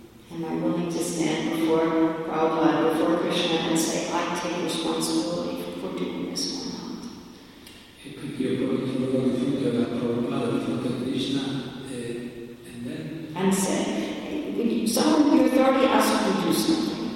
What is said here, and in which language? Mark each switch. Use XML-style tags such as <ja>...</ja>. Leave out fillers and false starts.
<en>Am I willing to stand before Prabhupada, before Krishna, and say I take responsibility for doing this or not?</en> <it>E quindi io poi mi trovo di fronte alla Prabhupada, di fronte a Krishna,</it> <en>and then. And say, someone with authority asks you to do something.</en>